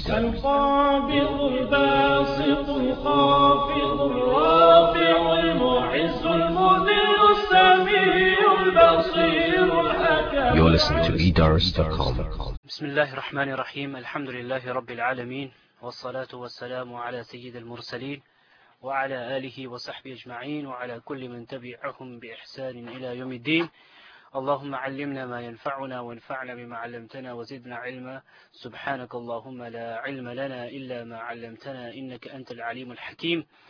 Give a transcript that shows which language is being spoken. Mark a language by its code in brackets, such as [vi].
[ar] القابض الباسط الخافض الرافع المعز المذل السميع البصير الحكيم. [en] You're listening to Eder.com. [ar] بسم الله الرحمن الرحيم، الحمد لله رب العالمين، والصلاة والسلام على سيد المرسلين وعلى آله وصحبه أجمعين وعلى كل من تبعهم بإحسان إلى يوم الدين. اللهم علمنا ما ينفعنا وانفعنا بما علمتنا وزدنا علما، سبحانك اللهم لا علم لنا إلا ما علمتنا إنك أنت العليم الحكيم.